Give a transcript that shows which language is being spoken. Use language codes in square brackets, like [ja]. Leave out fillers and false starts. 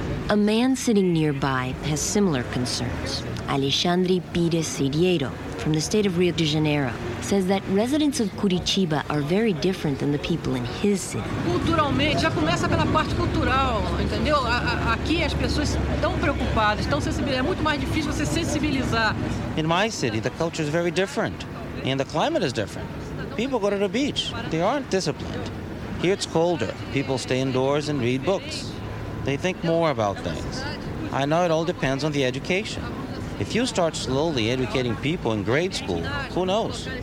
[en] A man sitting nearby has similar concerns. Alexandre Pires Siriero, from the state of Rio de Janeiro, says that residents of Curitiba are very different than the people in his city. [pt] Culturalmente, já começa pela parte cultural, entendeu? Aqui as pessoas estão preocupadas, estão sensibilizadas. É muito mais difícil você sensibilizar. [en] In my city, the culture is very different, and the climate is different. People go to the beach. They aren't disciplined. Here it's colder. People stay indoors and read books. They think more about things. I know it all depends on the education. If you start slowly educating people in grade school, who knows?